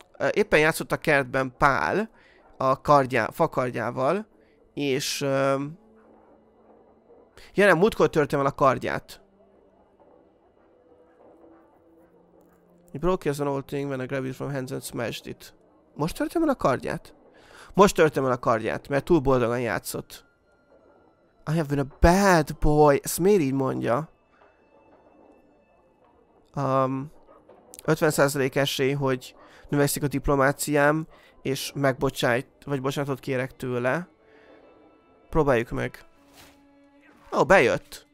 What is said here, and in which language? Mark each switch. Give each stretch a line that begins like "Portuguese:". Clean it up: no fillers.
Hungarian: Éppen játszott a kertben Pál a fakardjával, és... nem, múltkor törtem el a kardját.
English: It broke as an old thing when I grabbed it from hands and smashed it.
Hungarian: Most törtem el a kardját? Most törtem el a kardját, mert túl boldogan játszott.
English: I have been a bad boy.
Hungarian: Ezt miért így mondja? 50% esély, hogy növekszik a diplomáciám, és megbocsájt, vagy bocsánatot kérek tőle. Próbáljuk meg. Ó, bejött.